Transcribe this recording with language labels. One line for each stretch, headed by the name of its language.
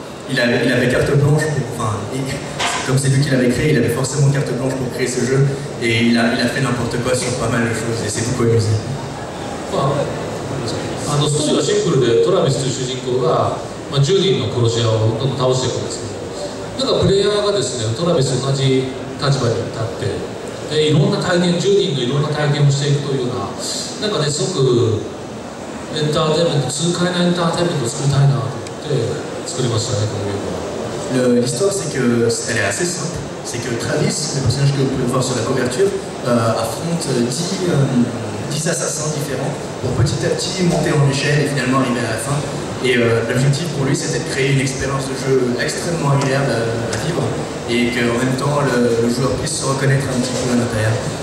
French: Il avait carte blanche pour. Enfin, comme c'est lui qui l'avait créé, il avait forcément carte blanche pour créer ce jeu. Et il a fait n'importe quoi sur pas mal de choses. Et c'est beaucoup amusé.
Japanese: ストーリーはシンプルで、トラビスという主人公が、10人の殺し屋をどんどん倒していくんですけど、なんかプレイヤーがですね、トラビスと同じ立場に立って、でいろんな体験、10人のいろんな体験をしていくというような、なんかね、すごくエンターテインメント、痛快なエンターテインメントを作りたいなと思って作りましたね、このゲームは。
French: L'histoire, c'est que elle est assez simple. C'est que Travis, le personnage que vous pouvez voir sur la couverture, affronte 10 assassins différents pour petit à petit monter en échelle et finalement arriver à la fin. Et l'objectif pour lui, c'était de créer une expérience de jeu extrêmement agréable à vivre et qu'en même temps, le joueur puisse se reconnaître un petit peu à l'intérieur.